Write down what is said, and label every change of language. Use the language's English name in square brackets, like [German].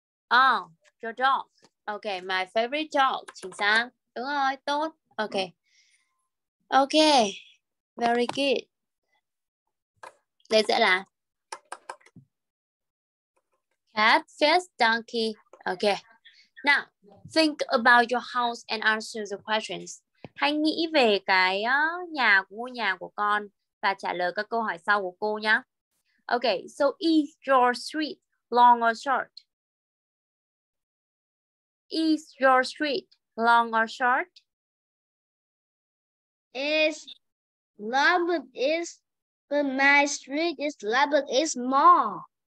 [English] Oh, your dog. Okay, my favorite dog. [Vietnamese] Chính xác. Đúng rồi, tốt. [English] Okay. Okay. Very good. [Vietnamese] Đây sẽ là cat, fish, donkey. [English] Okay. Now, think about your house and answer the questions. [Vietnamese] Hãy nghĩ về cái nhà, ngôi nhà của con và trả lời các câu hỏi sau của cô nhé. [English] Okay, so is your street long or short? Is your street long or short? It's long, but my street is long, but it's small.